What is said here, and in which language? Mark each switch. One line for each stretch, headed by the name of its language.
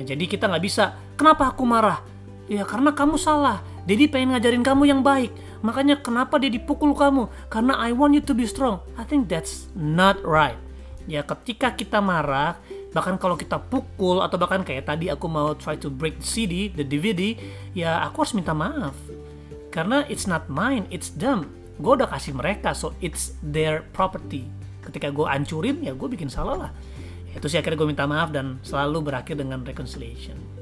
Indonesian: Jadi kita nggak bisa, kenapa aku marah ya, karena kamu salah, daddy pengen ngajarin kamu yang baik. Makanya kenapa dia dipukul kamu? Karena
English: I want you to be strong. I think that's not right.
Indonesian: Ya, ketika kita marah, bahkan kalau kita pukul, atau bahkan kayak tadi aku mau
English: try to break CD, the DVD,
Indonesian: ya aku harus minta maaf. Karena
English: it's not mine, it's them.
Indonesian: Gue udah kasih mereka,
English: so it's their property.
Indonesian: Ketika gue ancurin, ya gue bikin salah lah. Itu sih akhirnya gue minta maaf, dan selalu berakhir dengan reconciliation.